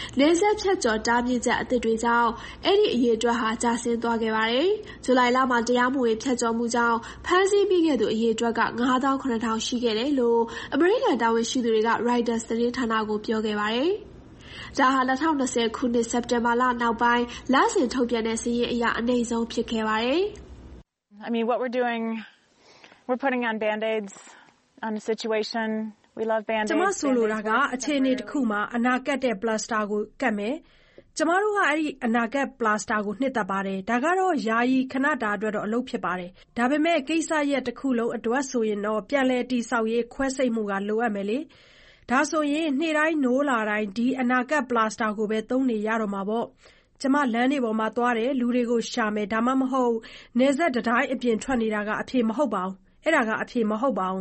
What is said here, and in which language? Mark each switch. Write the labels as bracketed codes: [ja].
[my] နေဆက်ဖြတ်ကျော်တားမြစ်ချက်အစ်စ်တွေကြောင့်အဲ့ဒီအရေးအတွက်ဟာကျဆင်းသွားခဲ့ပါတယ်။ဇူလိုင်လမှာတရားမဝင်ဖြတ်ကျော်မှုကြောင့်ဖမ်းဆီးပြီးခဲ့သူအရေးအတွက်က9,000ရှိခဲ့တယ်လို့ American တာဝန်ရှိသူတွေက Riders သတင်းဌာနကိုပြောခဲ့ပါတယ်။ဇာဟာ2020ခုနှစ်စက်တင်ဘာလနောက်ပိုင်းလက်ဆင့်ထုတ်ပြန်တဲ့စီးရီးအရာအနေအဆုံးဖြစ်ခဲ့ပါတယ် [en] ။ I mean what we're doing we're putting on band-aids on a situation we love band-aids [my] ကျမဆိုလိုတာကအခြေအနေတစ်ခုမှာအနာကတ်တဲ့ plaster ကိုကတ်မယ်။ကျမတို့ကအဲ့ဒီအနာကတ် plaster ကိုနှစ်သက်ပါတယ်။ဒါကတော့ယာယီခဏတာအတွက်တော့အလုပ်ဖြစ်ပါတယ်။ဒါပေမဲ့ကိစ္စရက်တစ်ခုလုံးအတွက်ဆိုရင်တော့ပြန်လည်တည်ဆောက်ရေးခွဲစိတ်မှုကလိုအပ်မယ်လေ။ဒါဆိုရင်နေ့တိုင်းနိုးလာတိုင်းဒီအနာကတ်ပလတ်စတာကိုပဲသုံးနေရတော့မှာပေါ့ကျမလမ်းနေပေါ်မှာသွားတယ်လူတွေကိုရှာမယ်ဒါမှမဟုတ်နေဆက်တတိုင်းအပြင်ထွက်နေတာကအဖြစ်မဟုတ်ပါဘူးအဲ့ဒါကအဖြစ်မဟုတ်ပါဘူ